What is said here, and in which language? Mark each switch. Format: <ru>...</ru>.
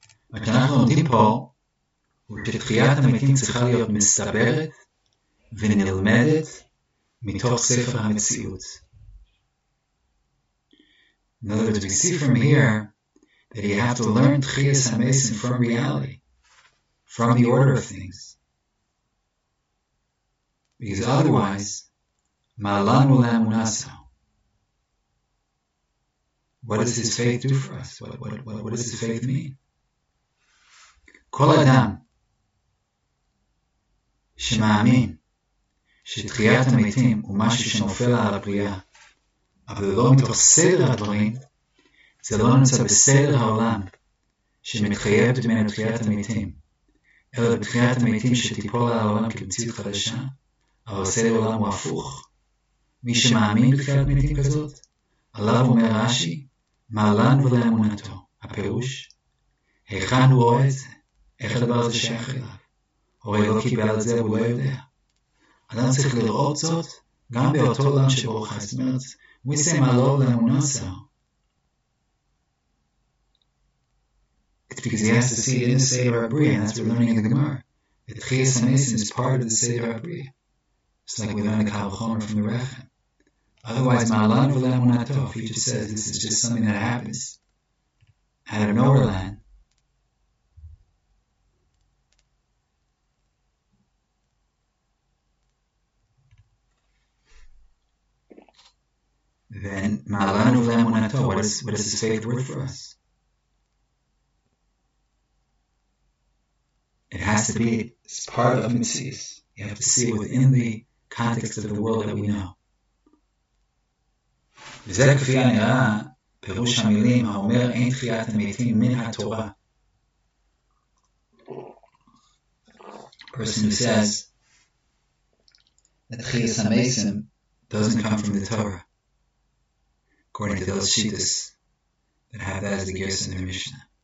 <he>מה שאנחנו עומדים פה הוא שתחיית המתים צריכה להיות מסתברת ונלמדת מתוך ספר המציאות.</he> <en>In other words, we see from here that you have to learn Tchiyas HaMeisim from reality, from the order of things. Because otherwise,</en> <he>Ma'alanu La'amunasa,</he> <en>what does his faith do for us? What does his faith mean?</en> <he>כל אדם שמאמין שתחיית המתים הוא משהו שנופל על הבריאה, אבל לא מתוך סדר הדברים, זה לא נמצא בסדר העולם שמתחייבת ממנו תחיית המתים, אלא בתחיית המתים שתיפול על העולם כמציאות חדשה, אבל סדר העולם הוא הפוך. מי שמאמין בתחיית מתים כזאת, עליו אומר רש"י, מעלן ולאמונתו, הפירוש, היכן הוא רואה את זה? איך הדבר הזה שייך אליו? הורי לא קיבל על זה, הוא לא יודע. אדם צריך לראות זאת גם באותו עולם שבו חי. זאת אומרת, מי זה מעלו לאמונה שר?</he> <en>It's because he has to see it in the Seder HaBriah, and that's what we're learning in the Gemara. The Tchiyas HaMeisim is part of the Seder HaBriah. It's like we learn a Kal Vachomer from the Rechem. Otherwise,</en> <he>Ma'alan v'le'amunato,</he> <en>if he just says this is just something that happens, out of nowhere land, then</en> <he>Ma'alanu v'le'amunato,</he> <en>what is his faith worth for us? It has to be part of Metzius. You have to see it within the context of the world that we know.</en> <he>וזה כפי הנראה, פירוש המילים האומר אין תחיית המתים מן התורה.</he> <en>Person who says that Tchiyas HaMeisim doesn't come from the Torah, according to those shittas that have that as the gears in their Mishnah.</en>